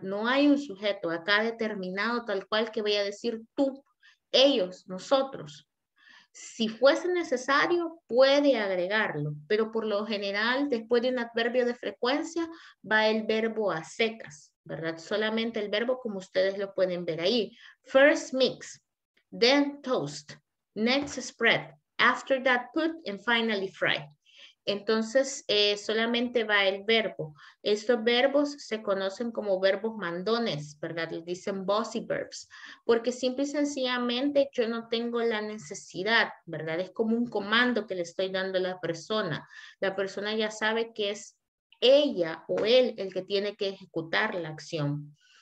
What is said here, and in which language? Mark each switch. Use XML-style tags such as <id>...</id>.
<es>No hay un sujeto acá determinado tal cual que vaya a decir tú, ellos, nosotros. Si fuese necesario, puede agregarlo, pero por lo general, después de un adverbio de frecuencia, va el verbo a secas, ¿verdad? Solamente el verbo como ustedes lo pueden ver ahí.</es> <en>First mix, then toast, next spread, after that put, and finally fry.</en> <es>Entonces, solamente va el verbo. Estos verbos se conocen como verbos mandones, ¿verdad? Les dicen busy verbs, porque simple y sencillamente yo no tengo la necesidad, ¿verdad? Es como un comando que le estoy dando a la persona. La persona ya sabe que es ella o él el que tiene que ejecutar la acción.</es>